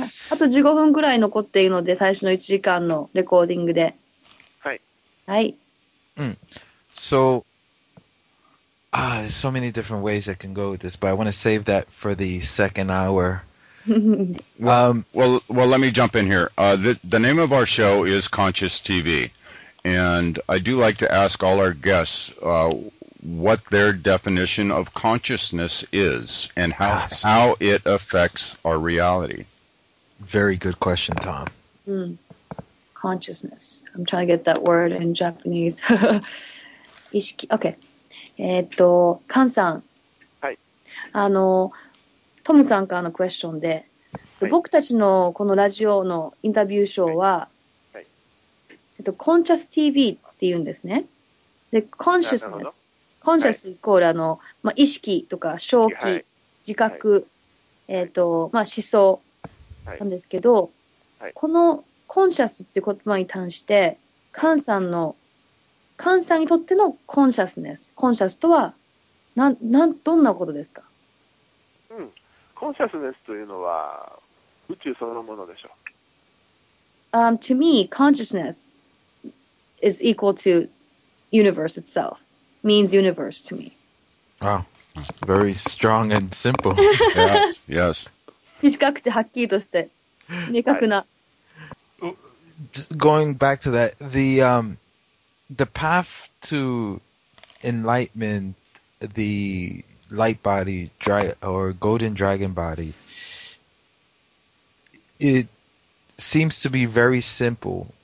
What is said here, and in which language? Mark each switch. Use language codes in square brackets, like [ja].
[ja] あと15分ぐらい残っているので、最初の1時間のレコーディングで。はい。はい。 [en] So, there's so many different ways I can go with this, but I want to save that for the second hour. well, let me jump in here. The name of our show is Conscious TV, and I do like to ask all our guests what their definition of consciousness is and how it affects our reality. Very good question, Tom. Mm. Consciousness. I'm trying to get that word in Japanese. [ja] 意識。Okay. カンさん。はい。トムさんからのクエスチョンで、はい、僕たちのこのラジオのインタビューショーは、はい、コンシャス TV って言うんですね。で、コンシャスネス。コンシャスイコール、まあ、意識とか、正気、はい、自覚、はい、まあ、思想。なんですけど、はいはい、このコンシャスっていう言葉に対して、カンさんにとってのコンシャスネス、コンシャスとはどんなことですか？うん、コンシャスネスというのは宇宙そのものでしょう。 [en] To me, consciousness is equal to universe itself. Means universe to me. Wow, very strong and simple. Yeah, yes. [ja] 短くてはっきりとして、明確な。 [en] Going back to that, the path to enlightenment, the light body, or golden dragon body, it seems to be very simple.